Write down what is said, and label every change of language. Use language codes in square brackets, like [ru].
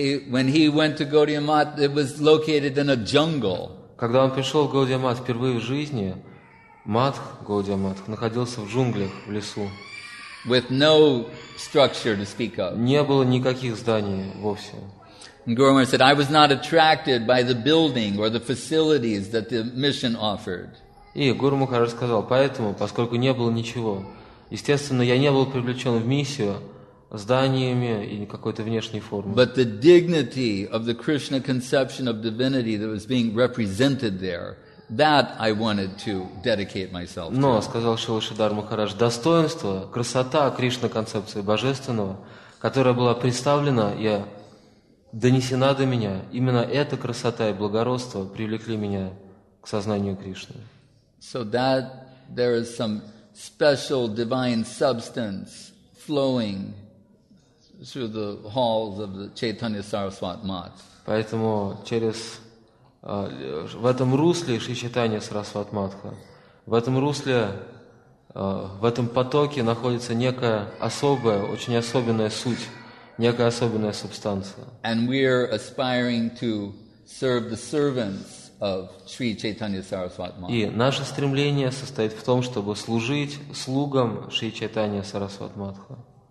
[en] When he went to Gaudiya Math, it was located in a jungle. [ru] Когда он пришел в Gaudiya Math впервые в жизни, Матх, Gaudiya Math, находился в джунглях, в лесу. [en] With no structure to speak of. [ru] Не было никаких зданий вовсе. [en] And Guru Maharaj said, I was not attracted by the building or the facilities that the mission offered. [ru] И Гуру Махарадж сказал, поэтому, поскольку не было ничего, естественно, я не был привлечен в миссию зданиями и какой-то внешней формой. [en] But the dignity of the Krishna conception of divinity that was being represented there, that I wanted to dedicate myself to. [ru] Но, сказал Шрила Сридхар Махарадж, достоинство, красота Кришна концепции божественного, которая была представлена, я донесена до меня, именно эта красота и благородство привлекли меня к сознанию Кришны. [en] So that there is some special divine substance flowing through the halls of the Chaitanya Saraswat Mat. [ru] Поэтому через в этом русле Шри Чайтанья Сарасвати Матха, в этом русле, в этом потоке находится некая особая, очень особенная суть, некая особенная субстанция. [en] And we are aspiring to serve the servants of Sri Chaitanya Saraswat Mata. [ru] И наше стремление состоит в том, чтобы служить слугам Шри Чайтанья Сарасвати Матха.